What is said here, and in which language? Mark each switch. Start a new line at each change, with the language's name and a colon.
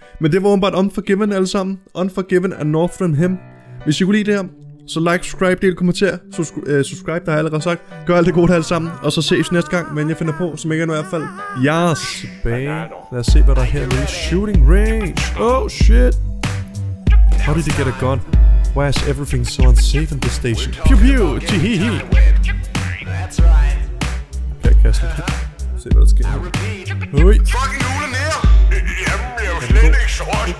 Danish: Men det var åbenbart Unforgiven alle sammen. Unforgiven af Northrend Hem. Hvis I kunne lide det her, så like, subscribe, del, kommenter. Subscribe, der har allerede sagt. Gør alt det gode alle sammen. Og så ses næste gang, men jeg finder på, som ikke er nu i hvert fald.
English: Yes, babe.
Danish: Lad os se, hvad der er hernede.
English: Shooting range. Oh, shit. How did he get a gun? Why is everything so unsafe in this station? Pew pew! Tee-hee-hee! That's right.
Danish: Kan jeg kaste det? Se hvad der sker. Høj! Fucking hulen her! Jamen, jeg er jo slet ikke så hurtigt!